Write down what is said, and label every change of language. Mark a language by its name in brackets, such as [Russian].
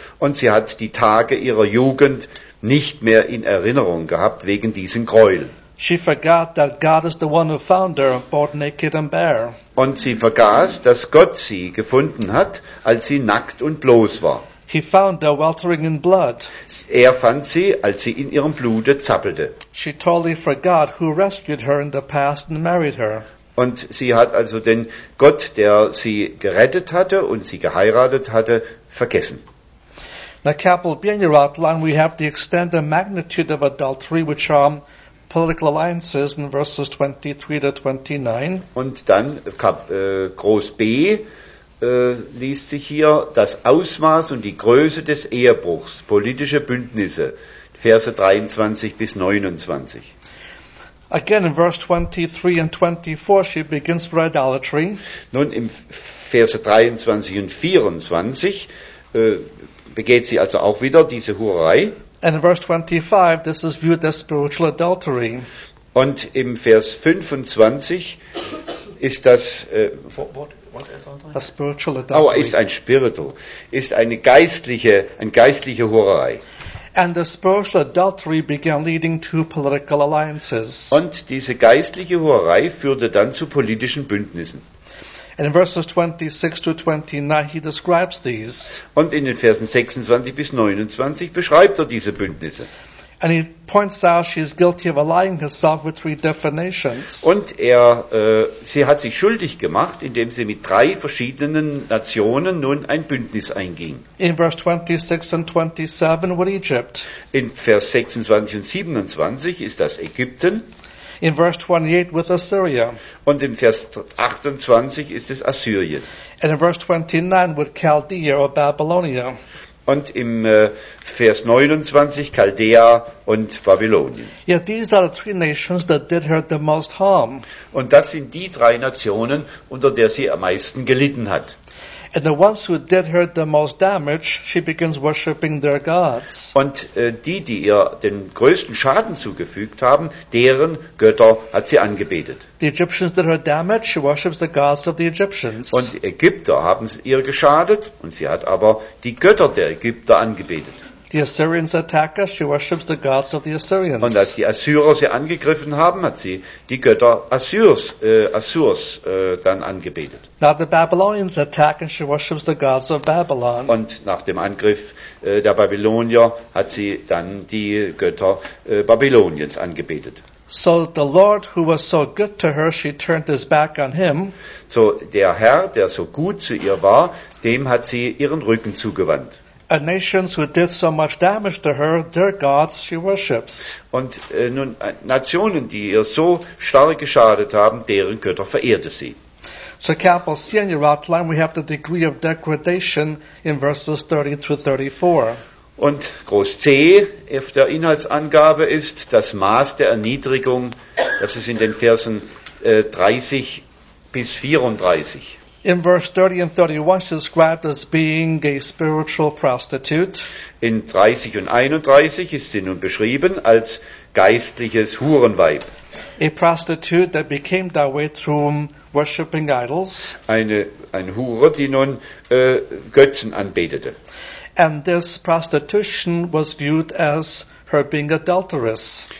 [German] Und sie hat die Tage ihrer Jugend nicht mehr in Erinnerung gehabt wegen diesen Gräuel. [English] She forgot that God is the one who found her both naked and bare. [German] Und sie vergaß, dass Gott sie gefunden hat, als sie nackt und bloß war. [English] He found her weltering in blood. [German] Er fand sie, als sie in ihrem Blute zappelte. [English] She totally forgot who rescued her in the past and married her. [German] Und sie hat also den Gott, der sie gerettet hatte und sie geheiratet hatte, vergessen. [English] Now, capital B in your outline, we have the extent and magnitude of adultery, which are political alliances in verses 23 to 29. [German] Und dann groß B liest sich hier das Ausmaß und die Größe des Ehebruchs, politische Bündnisse, Verse 23 bis 29. [English] Again, in verse 23 and 24, she begins with idolatry. [German] Nun, im Verse 23 und 24 begeht sie also auch wieder diese Hurerei. [English] And in verse 25, this is viewed as spiritual adultery. [German] Und im Vers 25 ist das eine geistliche Hurerei. [English] And the spiritual adultery began leading to political alliances. [German] Und diese geistliche Hurerei führte dann zu politischen Bündnissen. [English] And in verses 26 to 29 he describes these. [German] Und in den Versen 26 bis 29 beschreibt er diese Bündnisse. [English] And he points out she is guilty of allying herself with three different nations. [German] Und sie hat sich schuldig gemacht, indem sie mit drei verschiedenen Nationen nun ein Bündnis einging. [English] In verse 26 and 27 with Egypt. [German] In Vers 26 und 27 ist das Ägypten. [English] In verse 28 with Assyria. [German] Und im Vers 28 ist es Assyrien. [English] And in verse 29 with Chaldea or Babylonia. [German] Und im Vers 29 Chaldea und Babylonien. [English] Yet these are the three nations that did her the most harm. [German] Und das sind die drei Nationen, unter der sie am meisten gelitten hat. [English] And the ones who did her the most damage, she begins worshipping their gods. [German] Und die ihr den größten Schaden zugefügt haben, deren Götter hat sie angebetet. [English] The Egyptians did her damage, she worships the gods of the Egyptians. [German] Und die Ägypter haben ihr geschadet und sie hat aber die Götter der Ägypter angebetet. [English] The Assyrians attack her, she worships the gods of the Assyrians. [German] Und als die Assyrer sie angegriffen haben, hat sie die Götter Assurs dann angebetet. [English] Now the Babylonians attack and she worships the gods of Babylon. [German] Und nach dem Angriff der Babylonier hat sie dann die Götter Babyloniens angebetet. [English] So the Lord who was so good to her, she turned his back on him. [German] So der Herr, der so gut zu ihr war, dem hat sie ihren Rücken zugewandt. [English] And nations who did so much damage to her, their gods she worships. [German] Und nun Nationen, die ihr so stark geschadet haben, deren Götter verehrte sie. [English] So capital C in your outline, we have the degree of degradation in verses 30 to 34. [German] Und groß C auf der Inhaltsangabe ist das Maß der Erniedrigung, das ist in den Versen 30 bis 34. [English] In verse 30 and 31, she's described as being a spiritual prostitute. [German] In 30 und 31 ist sie nun beschrieben als geistliches Hurenweib. [English] A prostitute that became that way through worshipping idols. [German] Eine Hure, die nun Götzen anbetete. [English] And this prostitution was viewed as her being adulterous.